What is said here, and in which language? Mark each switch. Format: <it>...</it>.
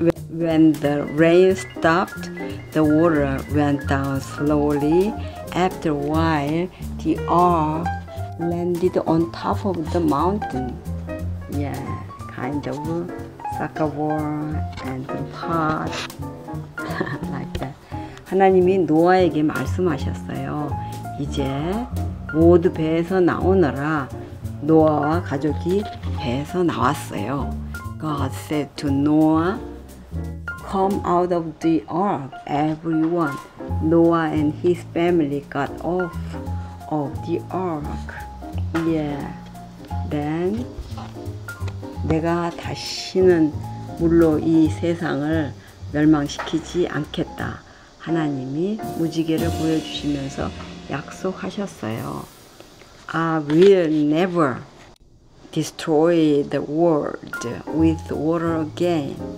<en>When the rain stopped, the water went down slowly. After a while, the ark landed on top of the mountain. Yeah, kind of like a war and a pot, like that.</en> <ko>하나님이 노아에게 말씀하셨어요. 이제 모두 배에서 나오너라. 노아와 가족이 배에서 나왔어요.</ko> <en>God said to Noah, come out of the ark, everyone. Noah and his family got off of the ark. Yeah.</en> <ko>Then, 내가 다시는 물로 이 세상을 멸망시키지 않겠다. 하나님이 무지개를 보여주시면서 약속하셨어요.</ko> <en>I will never destroy the world with water again.</en>